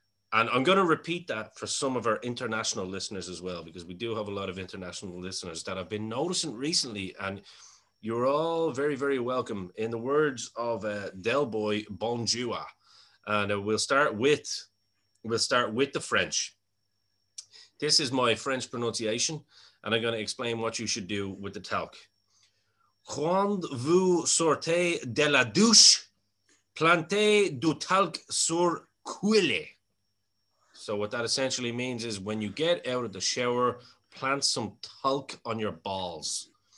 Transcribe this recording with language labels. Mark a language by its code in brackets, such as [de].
[en] And I'm going to repeat that for some of our international listeners as well, because we do have a lot of international listeners that I've been noticing recently, and you're all very, very welcome. In the words of Del Boy, bonjour. And we'll start with the French. This is my French pronunciation, and I'm going to explain what you should do with the talc. [fr] Quand vous sortez de la douche, plantez du talc sur cuillet. [en] So what that essentially means is when you get out of the shower, plant some talc on your balls.